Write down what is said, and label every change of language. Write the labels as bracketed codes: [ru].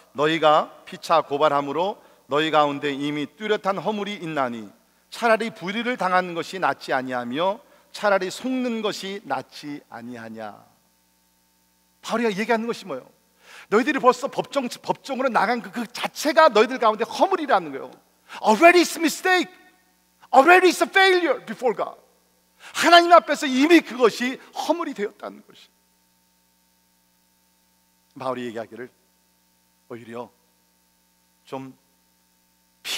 [ko] 너희가 피차 고발함으로 너희 가운데 이미 뚜렷한 허물이 있나니 차라리 불의를 당하는 것이 낫지 아니하며 차라리 속는 것이 낫지 아니하냐. 바울이 얘기하는 것이 뭐예요? 너희들이 벌써 법정으로 나간 그 자체가 너희들 가운데 허물이라는 거예요. [en] Already is a mistake. Already is a failure before God. [ko] 하나님 앞에서 이미 그것이 허물이 되었다는 것이. 바울이 얘기하기를 오히려 좀 피